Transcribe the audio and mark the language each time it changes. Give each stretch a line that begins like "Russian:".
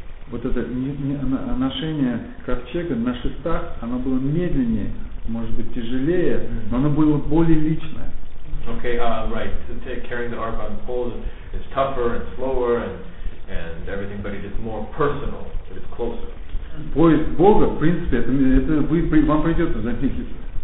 Russian: Вот это ношение ковчега на шестах, оно было медленнее, может быть тяжелее, но оно было более личное.
English: Okay, right. Carrying the ark on poles is tougher and slower and everything, but it is more personal, it is closer.
Russian: Поиск Бога, в принципе, это вам придется заметиться.